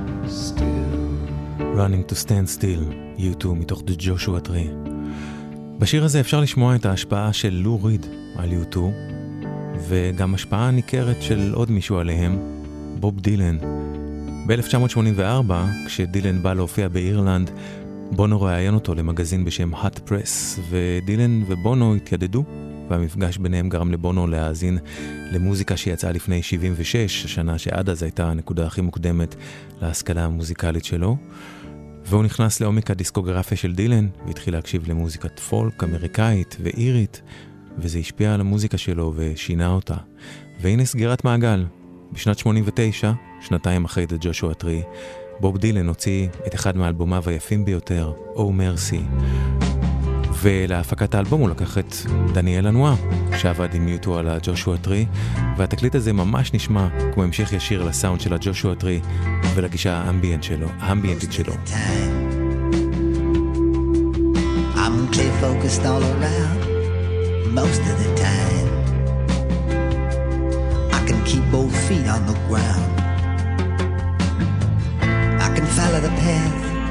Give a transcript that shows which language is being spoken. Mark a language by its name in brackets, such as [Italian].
[Hebrew] Stand Still, You Two, מתוך The Joshua Tree. בשיר הזה אפשר לשמוע את ההשפעה של לו ריד על You Two, וגם השפעה ניכרת של עוד מישהו עליהם, בוב דילן. ב-1984, כשדילן בא להופיע באירלנד, בונו ראיין אותו למגזין בשם Hot Press, ודילן ובונו התיידדו, והמפגש ביניהם גרם לבונו להאזין למוזיקה שיצאה לפני 76, השנה שעד אז הייתה הנקודה הכי מוקדמת להשכלה המוזיקלית שלו. והוא נכנס לעומק הדיסקוגרפיה של דילן, והתחיל להקשיב למוזיקת פולק אמריקאית ואירית, וזה השפיע על המוזיקה שלו ושינה אותה. והנה סגירת מעגל. בשנת 89, שנתיים אחרי דה ג'ושוע טרי, בוב דילן הוציא את אחד מאלבומיו היפים ביותר, Oh Mercy. ולהפקת האלבום הוא לקח את דניאל הנועה, שעבד עם יוטו על הג'ושוע טרי, והתקליט הזה ממש נשמע כמו המשך ישיר לסאונד של הג'ושוע טרי, ולגישה האמביאנט שלו, האמביאנטית שלו. [English] I'm clear focused all around, most of the time. I can keep both feet on the ground. I can follow the path.